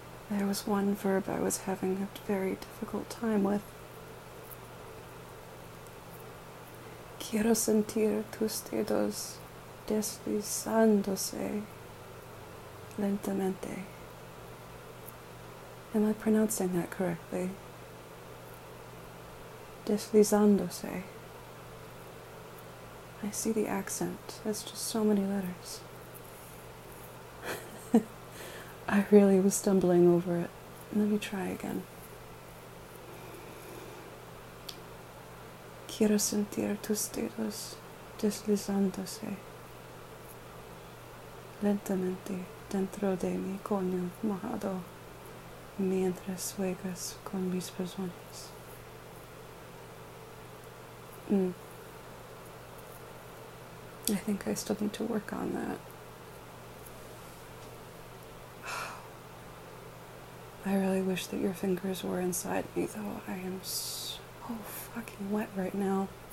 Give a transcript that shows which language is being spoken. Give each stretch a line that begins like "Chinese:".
English: There was one verb I was having a very difficult time with.
Spanish: Quiero sentir tus dedos deslizándose lentamente.
English: Am I pronouncing that correctly?
Spanish: Deslizándose.
English: I see the accent. It's just so many letters. I really was stumbling over it. Let me try again.
Spanish: Quiero sentir tus dedos deslizándose lentamente dentro de mi coño mojado mientras juegas con mis pezones.
English: I think I still need to work on that. I really wish that your fingers were inside me, though. I am so fucking wet right now.